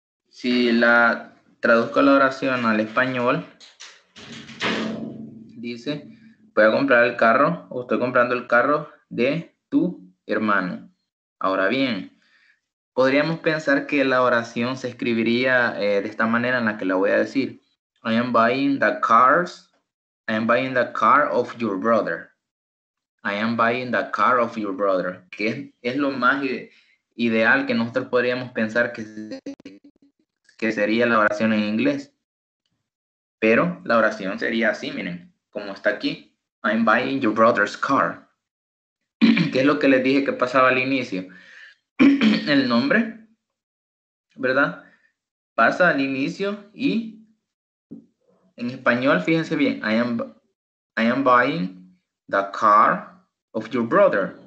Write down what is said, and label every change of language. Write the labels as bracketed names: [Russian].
[Spanish] Si la traduzco la oración al español, dice, voy a comprar el carro o estoy comprando el carro de tu hermano. Ahora bien, podríamos pensar que la oración se escribiría de esta manera en la que la voy a decir. [English] I am buying the cars. I am buying the car of your brother. I am buying the car of your brother. [Spanish] Que es lo más ideal que nosotros podríamos pensar que sería la oración en inglés. Pero la oración sería así, miren, como está aquí. [English] I am buying your brother's car. [Spanish] ¿Qué es lo que les dije que pasaba al inicio? El nombre, ¿verdad? Pasa al inicio y en español, fíjense bien. [English] I am buying the car of your brother.